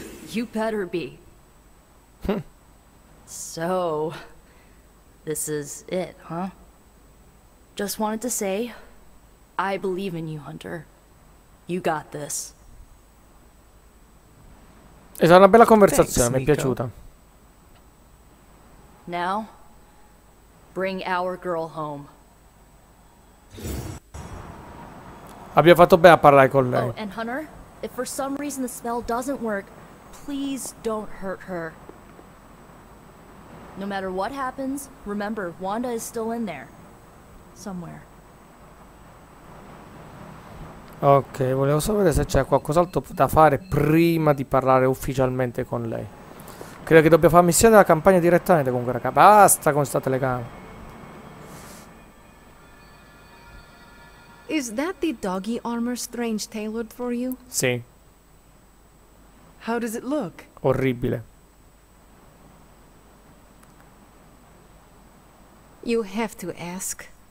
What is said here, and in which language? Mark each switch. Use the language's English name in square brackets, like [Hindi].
[English] You better be. So, this is it, huh? Just wanted to say, I believe in you, Hunter. You got this. [Italian] È stata una bella conversazione, mi è piaciuta. [English] Now, bring our girl home. [Italian] Abbiamo fatto bene a parlare con lei. [English] Oh, and Hunter, if for some reason the spell doesn't work, please don't hurt her. No matter what happens, remember, Wanda is still in there. Somewhere. [Italian] Ok, volevo sapere se c'è qualcos'altro da fare prima di parlare ufficialmente con lei. Credo che dobbia fare missione della campagna direttamente con quella capa. Basta con sta telecamera. [English] Is that the doggy armor Strange tailored for you? [Italian] Sì. [English] How does it look? [Italian] Orribile. [English] You have to ask.